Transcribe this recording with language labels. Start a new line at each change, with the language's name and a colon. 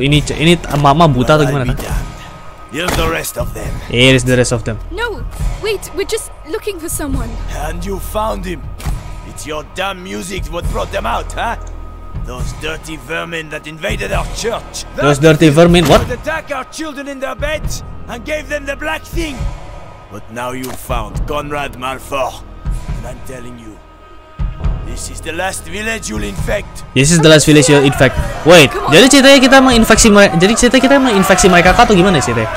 Indonesian: Ini mama buta atau gimana?
English: Here's the rest of them. Here's the rest of them. No, wait. We're just looking for someone. And you found him. It's your damn music what brought them out, huh? Those dirty vermin that invaded our church. Those dirty vermin. What? They attacked our children in their beds and gave them the black thing. But now you found Conrad Malfort, and I'm telling you, this is the last village you'll infect. This is the last village you'll infect. Wait,
Indonesian: jadi ceritanya kita menginfeksi mereka. Jadi ceritanya kita menginfeksi mereka kah atau gimana sih?